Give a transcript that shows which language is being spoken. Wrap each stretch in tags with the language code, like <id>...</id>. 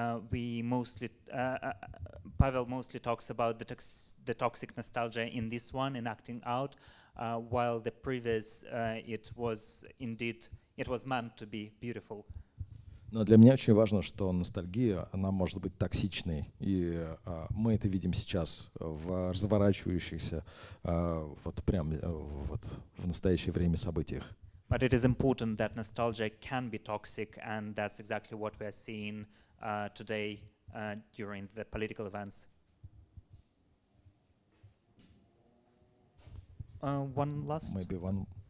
<en>We mostly Pavel mostly talks about the toxic nostalgia in this one, in acting out. While the previous, it was meant to be beautiful.</en> <ru>Но для меня очень важно, что ностальгия, она может быть токсичной, и мы это видим сейчас в разворачивающихся в настоящее время событиях.</ru> <en>But it is important that nostalgia can be toxic, and that's exactly what we are seeing today during the political events. One last. Maybe one.</en>